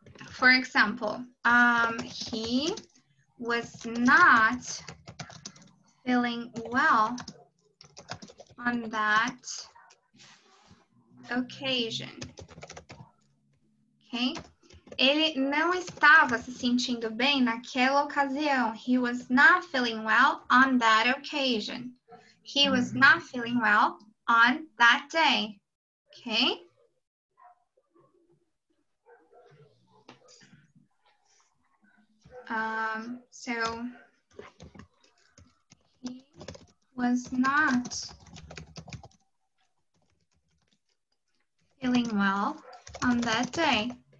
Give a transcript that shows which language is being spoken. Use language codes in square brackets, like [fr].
[en] For example, he was not feeling well on that occasion. Okay. [pt] Ele não estava se sentindo bem naquela ocasião. [en] He was not feeling well on that occasion. He was not feeling well on that day. Okay? So, he was not feeling well on that day.